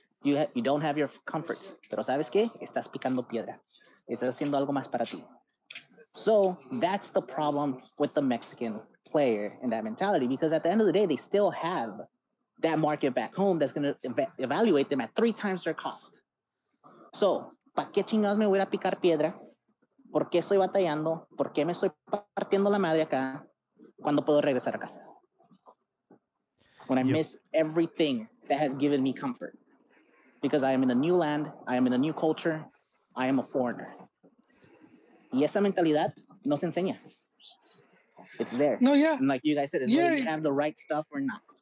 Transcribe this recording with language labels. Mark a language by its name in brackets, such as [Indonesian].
[English] You don't have your comforts. [Spanish] Pero sabes qué? Estás picando piedra. Estás haciendo algo más para ti. [English] So that's the problem with the Mexican player and that mentality, because at the end of the day, they still have that market back home that's going to evaluate them at 3 times their cost. [Spanish] So, ¿pa qué chingados me voy a picar piedra? ¿Por qué estoy batallando? ¿Por qué me estoy partiendo la madre acá cuando puedo regresar a casa? [English] When I miss everything that has given me comfort, because I am in a new land, I am in a new culture, I am a foreigner. [Spanish] Y esa mentalidad no se enseña. [English] It's there. No, yeah. And like you guys said, it's whether you have the right stuff or not.